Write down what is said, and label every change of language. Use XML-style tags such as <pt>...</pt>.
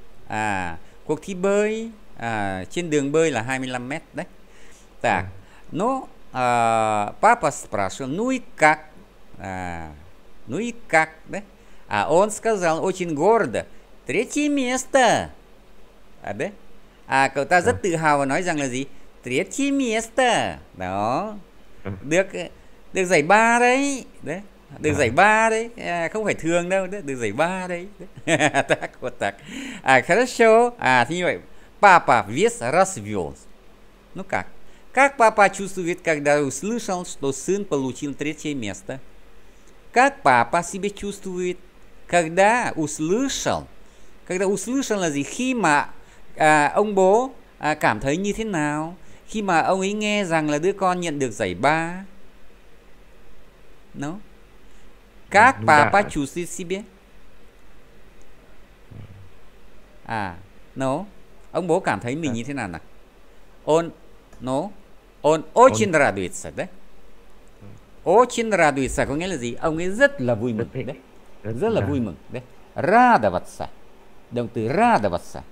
<vi>А, cuộc thi bơi, а, trên đường bơi là 25 мет, đấy.</vi> <ru>Так, ну, а, папа спрашивал, ну и как? А, ну и как, да? А он сказал очень гордо, третье место. А, да?</ru> <vi>А, cậu ta rất tự hào và nói rằng là gì?</vi> <ru>Третье место.</ru> <vi>Đó. Được, được giải ba đấy, đấy. Được giải ba đấy, à, không phải thường đâu, đấy. Được giải ba đấy.</vi> <ru>Так, вот так. А, хорошо. А,</ru> <vi>thì như vậy,</vi> <ru>папа весь развелся. Ну как? Как папа чувствует, когда услышал, что сын получил третье место? Как папа себя чувствует, когда услышал? Когда услышал</ru> <vi>là gì? Khi mà ông bố cảm thấy như thế nào? Khi mà ông ấy nghe rằng là đứa con nhận được giải ba. No.</vi> <ru>Как папа чувствует себя? À, no.</ru> <vi>Ông bố cảm thấy mình như thế nào nào?</vi> <ru>Он, no. Он очень радуется, да? Очень радуется</ru> <vi>có nghĩa là gì? Ông ấy rất là vui mừng, đấy. Rất là vui mừng, đấy.</vi> <ru>Радоваться.</ru> <vi>Động từ</vi> <ru>радоваться.</ru>